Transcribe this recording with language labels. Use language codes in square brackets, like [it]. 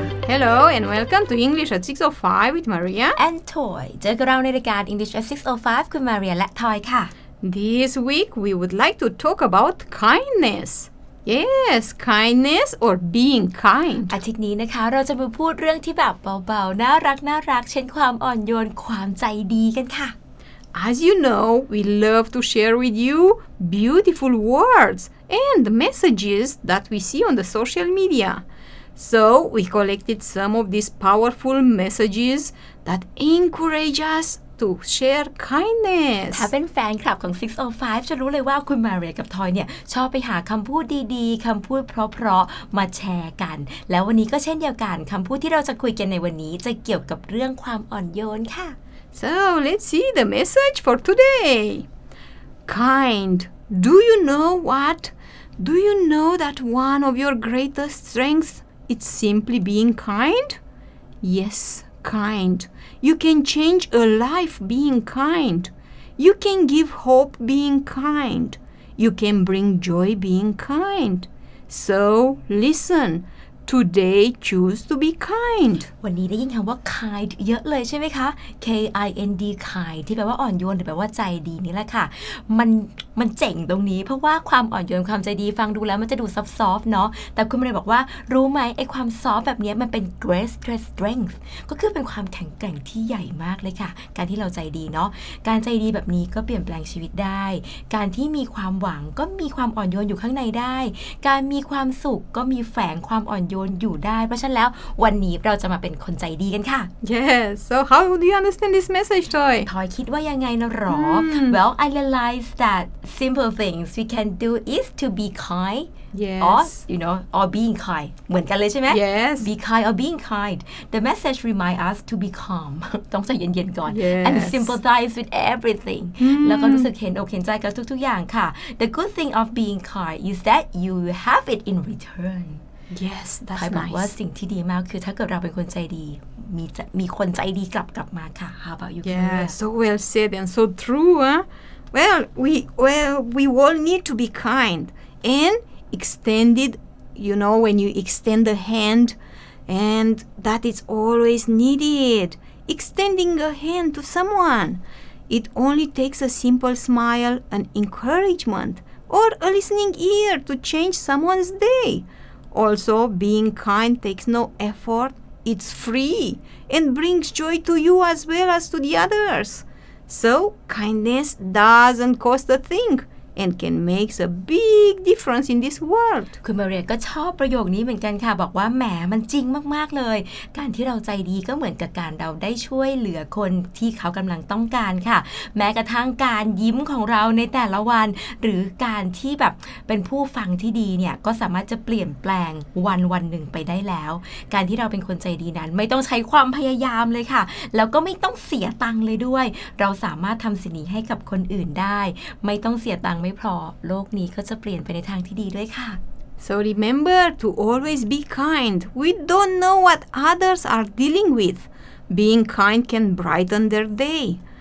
[en] Hello and welcome to English at 6:05 with Maria and Toy. [th] เจอกับเราในรายการ English at 6:05 คุณ Maria และ Toy ค่ะ [en] This week we would like to talk about kindness. Yes, kindness or being kind. [th] อาทิตย์นี้นะคะเราจะมาพูดเรื่องที่แบบเบาๆน่ารักน่ารักเช่นความอ่อนโยนความใจดีกันค่ะ [en] As you know, we love to share with you beautiful words and messages that we see on the social media. So we collected some of these powerful messages that encourage us. To share kindness. [th] ถ้าเป็นแฟนคลับของ605จะรู้เลยว่าคุณมาเรียกับทอยเนี่ยชอบไปหาคำพูดดีๆคำพูดเพราะๆมาแชร์กันแล้ววันนี้ก็เช่นเดียวกันคำพูดที่เราจะคุยกันในวันนี้จะเกี่ยวกับเรื่องความอ่อนโยนค่ะ [en] So let's see the message for today. Kind. Do you know what? Do you know that one of your greatest strengths is simply being kind? Yes. Kind. You can change a life being kind. You can give hope being kind. You can bring joy being kind. So, listen. Today, choose to be kind. [th] วันนี้ได้ยินคำว่า kind เยอะเลยใช่ไหมคะ K-I-N-D kind ที่แปลว่าอ่อนโยนหรือแปลว่าใจดีนี่แหละค่ะมันเจ๋งตรงนี้เพราะว่าความอ่อนโยนความใจดีฟังดูแล้วมันจะดูซอฟต์เนาะแต่คุณมาเลยบอกว่ารู้ไหมไอ้ความซอฟต์แบบนี้มันเป็น greatest strength ก็คือเป็นความแข็งแกร่งที่ใหญ่มากเลยค่ะการที่เราใจดีเนาะการใจดีแบบนี้ก็เปลี่ยนแปลงชีวิตได้ การที่มีความหวังก็มีความอ่อนโยนอยู่ข้างในได้การมีความสุขก็มีแฝงความอ่อนโยนอยู่ได้เพราะฉะนั้นแล้ววันนี้เราจะมาเป็นคนใจดีกันค่ะ [en] Yes so how do you understand this message Toy Toy [th] คิดว่ายังไงนะหรอ [en] Well I realize thatSimple things we can do is to be kind, yes. or you know, or being kind. [th] เหมือนกันเลยใช่ไหม [en] Yes. Be kind or being kind. The message remind us to be calm. [th] ต้องใจเย็นๆก่อน [en] Yes. And sympathize with everything. [th] แล้วก็รู้สึกเห็นอกเห็นใจกับทุกๆอย่างค่ะ [en] The good thing of being kind is that you have it in return. Yes, that's nice. ใครบอกว่าสิ่งที่ดีมากคือถ้าเกิดเราเป็นคนใจดีมีคนใจดีกลับมาค่ะ How about you? Yeah, so well said and so true, huh? Well, we all need to be kind and extended, you know, when you extend a hand and that is always needed. Extending a hand to someone, it only takes a simple smile, an encouragement, or a listening ear to change someone's day. Also, being kind takes no effort, it's free, and brings joy to you as well as to the others. So, kindness doesn't cost a thing, and can make a big difference in this world. [th] คุณมาเรียก็ชอบประโยคนี้เหมือนกันค่ะบอกว่าแหมมันจริงมากๆเลยการที่เราใจดีก็เหมือนกับการเราได้ช่วยเหลือคนที่เขากำลังต้องการค่ะแม้กระทั่งการยิ้มของเราในแต่ละวันหรือการที่แบบเป็นผู้ฟังที่ดีเนี่ยก็สามารถจะเปลี่ยนแปลงวันหนึ่งไปได้แล้ว การที่เราเป็นคนใจดีนั้นไม่ต้องใช้ความพยายามเลยค่ะแล้วก็ไม่ต้องเสียตังค์เลยด้วยเราสามารถทำสิ่งนี้ให้กับคนอื่นได้ไม่ต้องเสียตังค์พอโลกนี้ก็จะเปลี่ยนไปในทางที่ดีด้วยค่ะ [en] So remember to always be kind. We don't know what others are dealing with. Being kind can brighten their day.